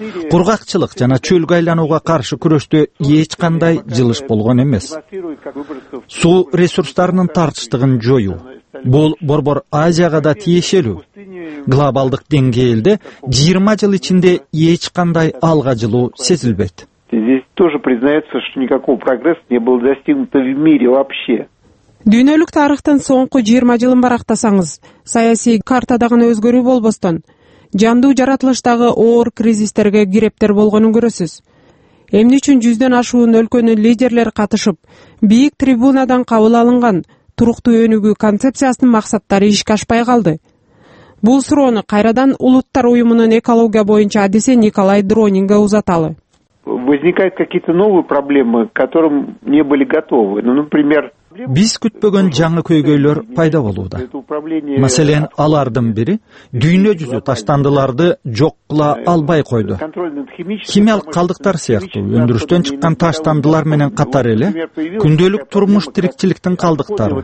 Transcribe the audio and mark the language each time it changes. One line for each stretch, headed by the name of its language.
Kyrgyz: Кургакчылык жана чөлгө айланууга каршы күрөштө эч кандай жылыш болгон эмес. Суу ресурстарынын тартыштыгын жоюу. Бул борбор Азияга да тиешелүү. Глобалдык деңгээлде 20 жыл ичинде эч кандай алга жылуу сезилбейт.
Russian: Здесь тоже признается, что никакого прогресса не было достигнуто в мире вообще.
Kyrgyz: Дүйнөлүк тарыхтын соңку 20 жылын барактасаңыз, саясий картада гана өзгөрүү болбостон, жандуу жаратылыштагы оор кризистерге кирептер болгонун көрөсүз. Эмне үчүн 100дөн ашуун өлкөнүн лидерлери катышып, бийик трибунадан кабыл алынган туруктуу өнүгүү концепциясынын максаттары ишке ашпай калды? Бул суроону кайрадан Улуттар Уюмунун экология боюнча адиси Николай Дронинга узаталы.
Russian: Возникают какие-то новые проблемы, к которым не были готовы. Например,
Kyrgyz: биз күтпөгөн жаңы көйгөйлөр пайда болууда. Маселен, алардын бири дүйнө жүзү таштандыларды жок кыла албай койду. Химиялык калдыктар сыяктуу өндүрүштөн чыккан таштандылар менен катар эле күндөлүк турмуш тирикчиликтин калдыктары.